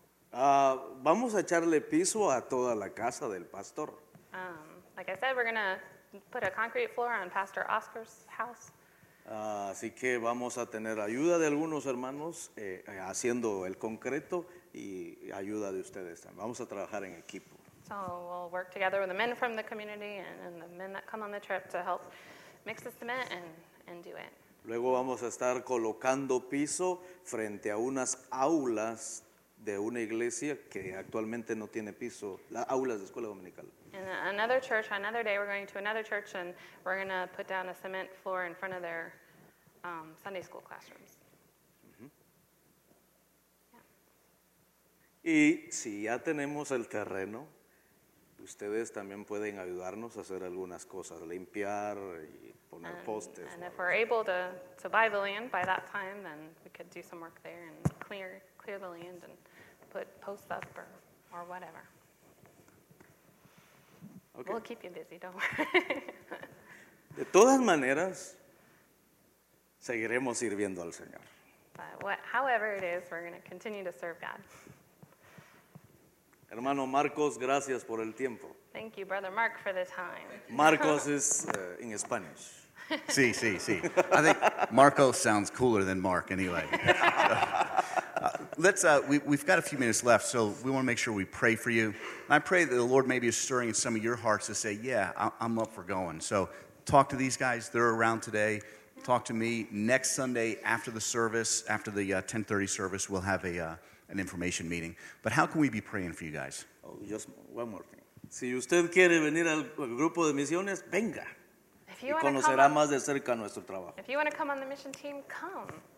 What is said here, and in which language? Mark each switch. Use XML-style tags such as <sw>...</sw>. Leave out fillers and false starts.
<es>Vamos a echarle piso a toda la casa del pastor.</es> <en>Like I said, we're going to put a concrete floor on Pastor Oscar's house.</en> <es>Así que vamos a tener ayuda de algunos hermanos haciendo el concreto y ayuda de ustedes también. Vamos a trabajar en equipo.</es> <en>So we'll work together with the men from the community and the men that come on the trip to help mix the cement and do it.</en> <es>Luego vamos a estar colocando piso frente a unas aulas de una iglesia que actualmente no tiene piso, las aulas de escuela dominical.</es> <en>In another church, another day, we're going to another church and we're going to put down a cement floor in front of their Sunday school classrooms.</en> <es>Y si ya tenemos el terreno, ustedes también pueden ayudarnos a hacer algunas cosas, limpiar y poner postes.</es> <en>And if we're able to buy the land by that time, then we could do some work there and clear the land and put posts up or whatever. Okay. We'll keep you busy, don't worry.</en> <es>De todas maneras, seguiremos sirviendo al Señor.</es> <en>However it is, we're going to continue to serve God.</en> <es>Hermano Marcos, gracias por el tiempo.</es> <en>Thank you, Brother Mark, for the time. Marcos is in Spanish.</en> <es>Sí, sí, sí.</es> <en>I think Marcos sounds cooler than Mark anyway. We've got a few minutes left, so we want to make sure we pray for you. And I pray that the Lord maybe is stirring in some of your hearts to say, yeah, I'm up for going. So talk to these guys. They're around today. Talk to me next Sunday after the service, after the 10:30 service. We'll have an information meeting. But how can we be praying for you guys? Oh, just one more thing.</en> <es>Si usted quiere venir al grupo de misiones, venga.</es> <en>If you want to come on the mission team, come.</en>